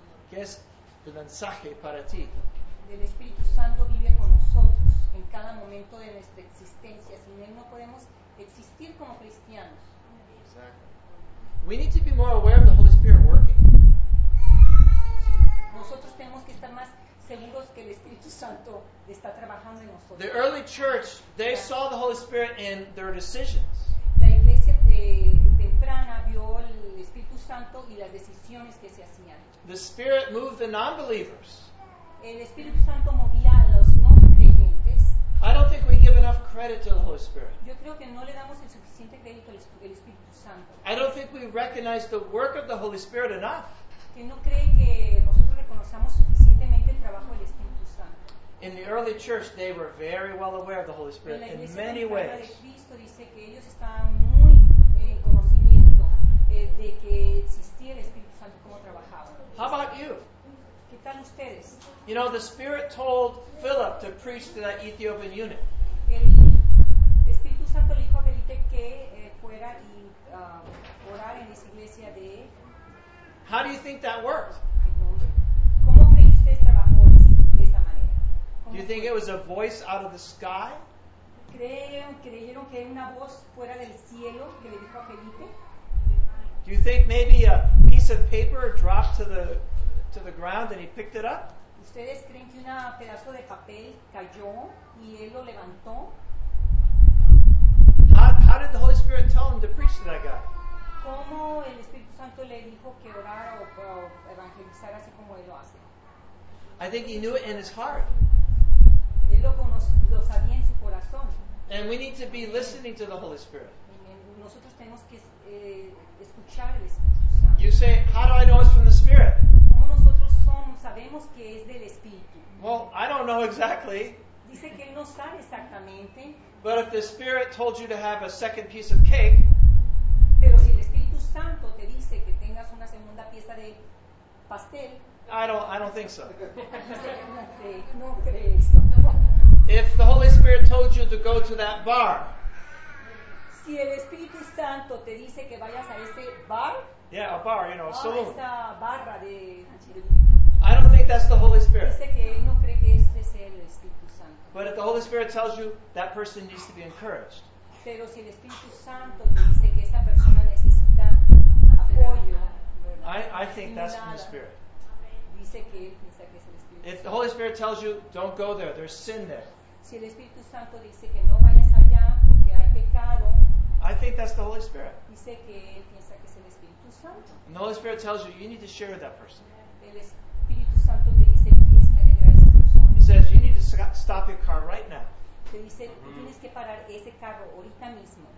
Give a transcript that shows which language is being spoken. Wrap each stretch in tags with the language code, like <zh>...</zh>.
<es>¿Qué es el mensaje para ti? El Espíritu Santo vive con nosotros en cada momento de nuestra existencia. Sin él no podemos existir como cristianos.</es> <en>Exactly. We need to be more aware of the Holy Spirit working.</en> <es>Sí. Nosotros tenemos que estar más seguros que el Espíritu Santo está trabajando en nosotros.</es> <en>The early church, they saw the Holy Spirit in their decisions.</en> <es>La iglesia temprana vio el Espíritu Santo y las decisiones que se hacían.</es> <en>The Spirit moved the non-believers.</en> <es>El Espíritu Santo movía a los no creyentes.</es> <en>I don't think we give enough credit to the Holy Spirit.</en> <es>Yo creo que no le damos el suficiente crédito al Espíritu Santo.</es> <en>I don't think we recognize the work of the Holy Spirit enough.</en> <es>Que no cree que nosotros reconozcamos suficientemente el trabajo del Espíritu Santo.</es> <en>In the early church, they were very well aware of the Holy Spirit in many ways.</en> <es>La iglesia de Cristo dice que ellos estaban muy en conocimiento de que existía el Espíritu Santo y cómo trabajaba.</es> <en>How about you?</en> <es>¿Qué tal ustedes?</es> <en>You know, the Spirit told Philip to preach to that Ethiopian eunuch.</en> <es>El Espíritu Santo le dijo a Felipe que fuera y orar en esa iglesia de...</es> <en>How do you think that worked?</en> <es>¿Cómo creen ustedes trabajó de esta manera?</es> <en>Do you think it was a voice out of the sky?</en> <es>¿Creyeron que era una voz fuera del cielo que le dijo a Felipe?</es> <en>Do you think maybe a piece of paper dropped to the ground and he picked it up?</en> <es>¿Ustedes creen que un pedazo de papel cayó y él lo levantó?</es> <en>How did the Holy Spirit tell him to preach to that guy?</en> <es>¿Cómo el Espíritu Santo le dijo que orar o evangelizar así como él lo hace?</es> <en>I think he knew it in his heart.</en> <es>Él lo sabía en su corazón.</es> <en>And we need to be listening to the Holy Spirit.</en> <es>Nosotros tenemos que escuchar el Espíritu Santo.</es> <en>You say, how do I know it's from the Spirit?</en> <es>¿Cómo nosotros sabemos que es del Espíritu?</es> <en>Well, I don't know exactly.</en> <es>Dice que él no sabe exactamente.</es> <en>But if the Spirit told you to have a second piece of cake,</en> <es>pero si el Espíritu Santo te dice que tengas una segunda pieza de pastel,</es> <en>I don't think so.</en> <es>No crees.</es> <en>If the Holy Spirit told you to go to that bar,</en> <es>si el Espíritu Santo te dice que vayas a este bar,</es> <en>yeah, a bar, you know, a saloon,</en> <es>esta barra de,</es> <en>I don't think that's the Holy Spirit.</en> <es>Dice que no cree que este sea el Espíritu Santo.</es> <en>But if the Holy Spirit tells you, that person needs to be encouraged.</en> <es>Pero si el Espíritu Santo te dice que esta persona necesita apoyo,</es> <en>I think that's from the Spirit.</en> <es>Dice que él piensa que es el Espíritu Santo.</es> <en>If the Holy Spirit tells you, don't go there, there's sin there.</en> <es>Si el Espíritu Santo dice que no vayas allá porque hay pecado,</es> <en>I think that's the Holy Spirit.</en> <es>Dice que él piensa que es el Espíritu Santo.</es> <en>And the Holy Spirit tells you, you need to share with that person.</en> <es>El Espíritu Santo te dice que tienes que alegrar a esa persona.</es> <en>He says, you need to stop your car right now.</en> <es>Te dice, tienes que parar ese carro ahorita mismo.</es>